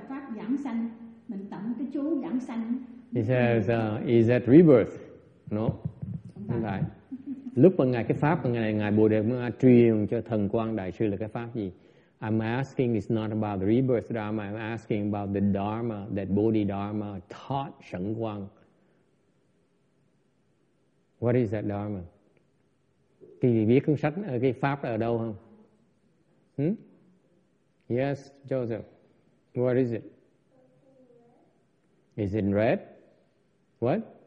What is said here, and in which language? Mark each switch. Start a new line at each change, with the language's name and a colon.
Vietnamese: Thấy cái pháp là pháp giảng sanh, mình tận cái chú giảng sanh.
English: He says, is that rebirth? No.
Vietnamese: Không phải. Lúc mà ngài cái pháp mà ngài Bồ Đề Ma truyền cho Thần Quang Đại Sư là cái pháp gì?
English: I'm asking, it's not about the rebirth Dharma. I'm asking about the Dharma that Bodhidharma taught Sẵn Quang. What is that Dharma?
Vietnamese: Thì biết cuốn sách cái pháp ở đâu không?
English: Yes, Joseph. What is it? Is it in red? What?